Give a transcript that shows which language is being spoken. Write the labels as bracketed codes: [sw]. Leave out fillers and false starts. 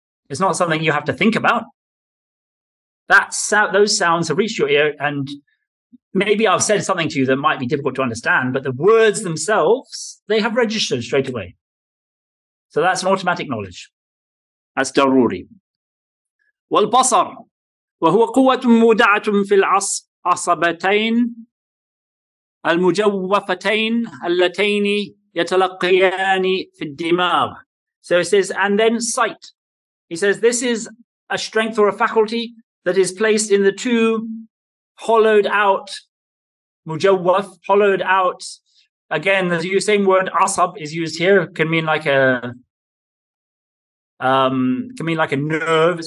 [en] It's not something you have to think about. Those sounds have reached your ear, and maybe I've said something to you that might be difficult to understand, but the words themselves, they have registered straight away. So that's an automatic knowledge. That's daruri. [ar] والبصر وهو قوة مودعة في العصبتين المجوفتين اللتين يتلقيان في الدماغ. [en] So he says, and then sight. He says, this is a strength or a faculty that is placed in the two hollowed out, mujawwaf, hollowed out. Again, the same word asab is used here. It can mean like a nerve.